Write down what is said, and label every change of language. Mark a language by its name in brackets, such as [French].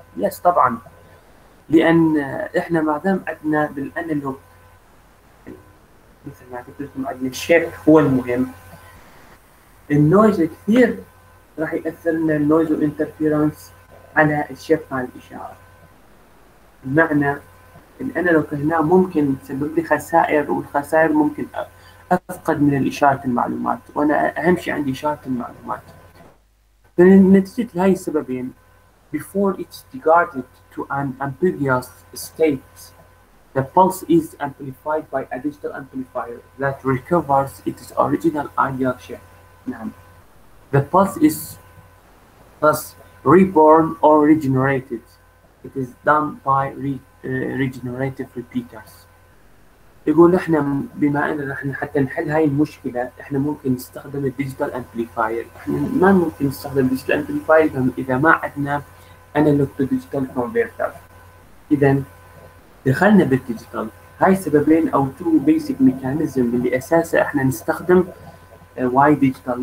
[Arabic] يس طبعا، لان احنا ما دام عندنا بالانالوج مثل ما قلت لكم عندنا الشيب هو المهم، النويز كثير راح ياثر لنا النويز والانترفيرنس على الشيب مال الاشاره. بمعنى الانالوج هنا ممكن تسبب لي خسائر، والخسائر ممكن افقد من الاشاره المعلومات، وانا اهم شيء عندي اشاره المعلومات. فنتيجه لهي السببين [English] before it's degraded to an ambiguous state, the pulse is amplified by a digital amplifier that recovers its original ideal shape. The pulse is thus reborn or regenerated. It is done by regenerative repeaters. [Arabic] يقول احنا بما اننا احنا حتى نحل هاي المشكله احنا ممكن نستخدم الديجيتال امبليفاير. احنا ما ممكن نستخدم الديجيتال امبليفاير اذا ما عندنا انالوج تو ديجيتال كونفرتر. اذا دخلنا بالديجيتال، هاي سببين او [English] two basic mechanism [Arabic] اللي اساسه احنا نستخدم [English] واي ديجيتال.